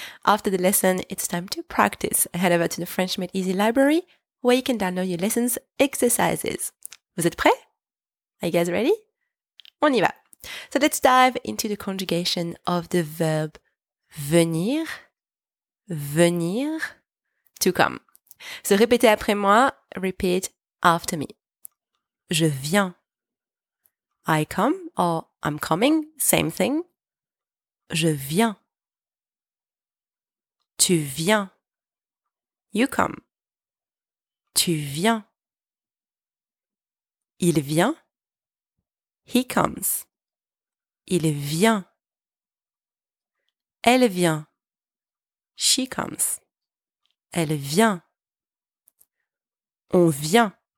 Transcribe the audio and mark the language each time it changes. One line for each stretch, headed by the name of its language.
English: After the lesson, it's time to practice. Head over to the French Made Easy library where you can download your lesson's exercises.
French: Vous êtes prêts?
English: Are you guys ready?
French: On y va.
English: So let's dive into the conjugation of the verb venir, venir, to come. So
French: répétez après moi,
English: repeat after me.
French: Je viens.
English: I come or I'm coming, same thing.
French: Je viens. Tu viens.
English: You come.
French: Tu viens. Il vient.
English: He comes.
French: Il vient. Elle vient.
English: She comes.
French: Elle vient. On vient.